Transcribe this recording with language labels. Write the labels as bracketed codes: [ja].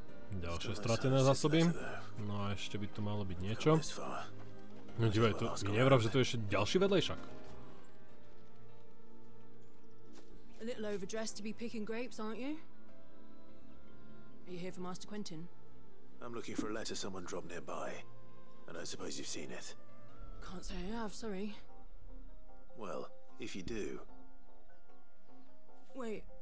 [sk] Ďalšie stratené zásoby. No a ešte by tu malo byť niečo. No dívaj, tu nevrav, že tu je ešte ďalší vedlejšak. [en] A little overdressed to be picking grapes, aren't you? Are you here for Master Quentin? I'm looking for a letter someone dropped nearby. And I suppose you've seen it. Can't say I have, sorry. Well, if you do. Wait.